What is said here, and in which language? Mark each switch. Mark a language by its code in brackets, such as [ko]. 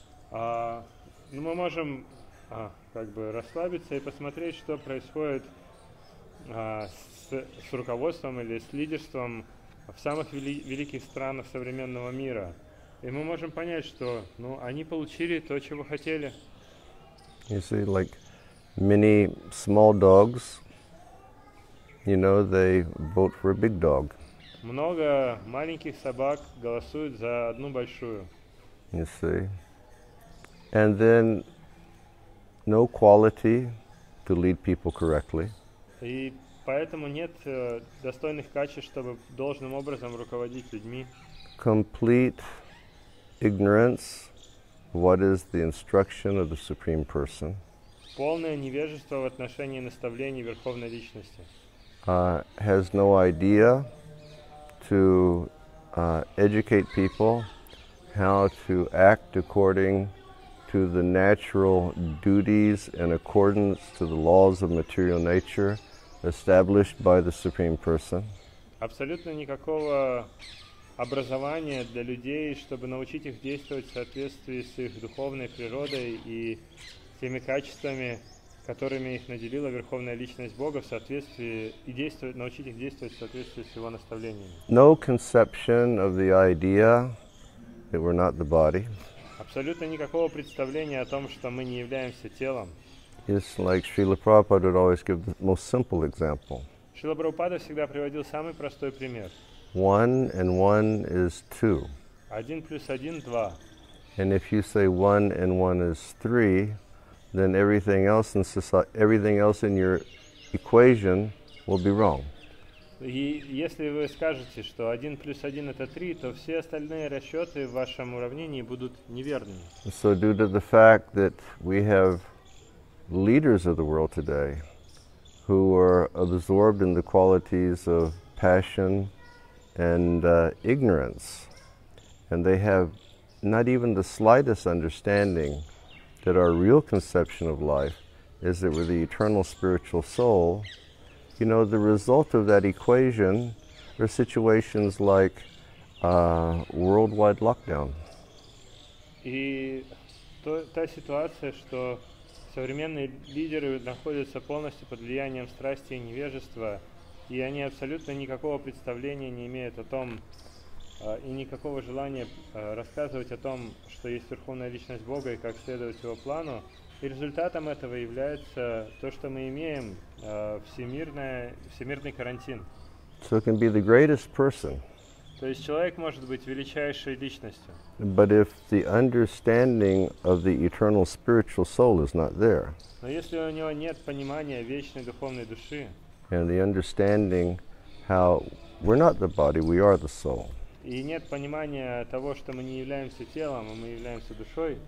[ru] Ну, мы можем как бы расслабиться и посмотреть, что происходит с руководством или с лидерством в самых великих странах современного мира. И мы можем понять, что, ну, они получили то, чего хотели. [en] You see, like many small dogs, you know, they vote for a big dog. [ru] Много маленьких собак голосуют за одну большую. [en] You see. And then no quality to lead people correctly. [ru] И поэтому нет достойных качеств, чтобы должным образом руководить людьми. [en] Complete ignorance. What is the instruction of the Supreme Person? [ru] Полное невежество в отношении наставлений Верховной Личности. [en] Has no idea to educate people how to act according to the natural duties in accordance to the laws of material nature established by the Supreme Person. [ru] Абсолютно никакого образования для людей, чтобы научить их действовать в соответствии с их духовной природой и теми качествами, которыми их наделила Верховная Личность Бога, в соответствии и действовать, научить их действовать в соответствии с Его наставлениями. [en] No conception of the idea that we're not the body. [ru] Абсолютно никакого представления о том, что мы не являемся телом. [en] It's like Srila Prabhupada would always give the most simple example. [ru] Шрила Прабхупада всегда приводил самый простой пример. [en] One and one is two. [ru] Один плюс один – два. [en] And if you say one and one is three, then everything else in society, everything else in your equation will be wrong. [ru] И если вы скажете, что один плюс один – это три, то все остальные расчеты в вашем уравнении будут неверными. [en] So due to the fact that we have leaders of the world today who are absorbed in the qualities of passion and ignorance, and they have not even the slightest understanding that our real conception of life is that we're the eternal spiritual soul, you know, the result of that equation are situations like worldwide lockdown. [ru] И та ситуация, что современные лидеры находятся полностью под влиянием страсти и невежества, и они абсолютно никакого представления не имеют о том, и никакого желания рассказывать о том, что есть Верховная Личность Бога и как следовать Его плану. И результатом этого является то, что мы имеем, всемирный карантин. [en] So can be the greatest person. [ru] То есть человек может быть величайшей личностью. [en] But if the understanding of the eternal spiritual soul is not there. [ru] Но если у него нет понимания вечной духовной души. [en] And the understanding how we're not the body, we are the soul. [ru] И нет понимания того, что мы не являемся телом, а мы являемся душой.